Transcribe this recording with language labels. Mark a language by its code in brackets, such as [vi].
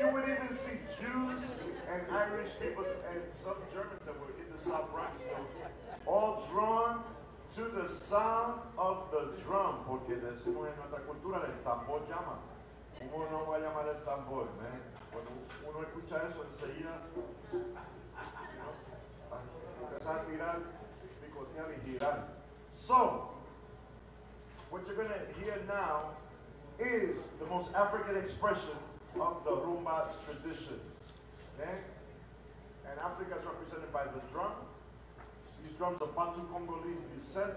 [en] You would even see Jews and Irish people and some Germans that were in the South Bronx, all drawn to the sound of the drum, [es] porque decimos en nuestra cultura, el tambor llama. ¿Cómo no va a llamar el tambor, man? Cuando uno escucha eso enseguida, empezar a tirar, picotear y girar. [en] So, what you're gonna hear now is the most African expression of the Rumba tradition, okay? And Africa is represented by the drum. These drums are Bantu Congolese descent.